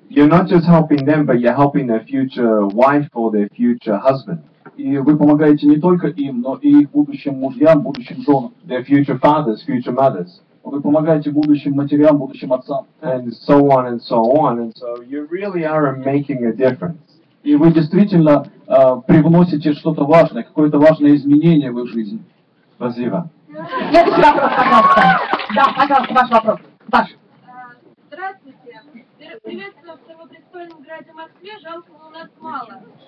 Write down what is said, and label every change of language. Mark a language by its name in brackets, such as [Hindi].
[English] you're not just helping them, but you're helping their future wife or their future husband. [Russian] И вы помогаете не только им, но и их будущим мужьям, будущим женам. [English] Their future fathers, future mothers. [Russian] Вы помогаете будущим матерям, будущим отцам. [English] And so on and so on. And so you really are making a difference. [Russian] И вы действительно привносите что-то важное, какое-то важное изменение в их жизнь. Спасибо. Следующий вопрос, пожалуйста. Да, пожалуйста, ваш вопрос. Ваш. Здравствуйте. Приветствую в Севопрестольном граде Москве. Жалко, но у нас мало.